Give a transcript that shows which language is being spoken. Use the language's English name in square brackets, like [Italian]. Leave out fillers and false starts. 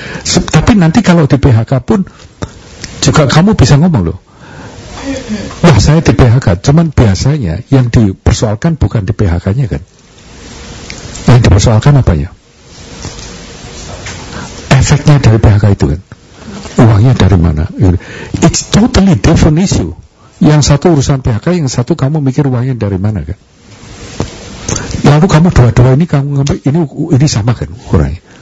[Indonesian] Tapi nanti kalau di PHK pun juga kamu bisa ngomong loh. Wah saya di PHK, cuman biasanya yang dipersoalkan bukan di PHK-nya kan. Yang dipersoalkan apanya? Efeknya dari PHK itu kan. Uangnya dari mana? [English] It's totally different issue. [Indonesian] Yang satu urusan PHK, yang satu kamu mikir uangnya dari mana kan. Lalu kamu dua-dua ini kamu ngambil, ini sama kan ukurannya.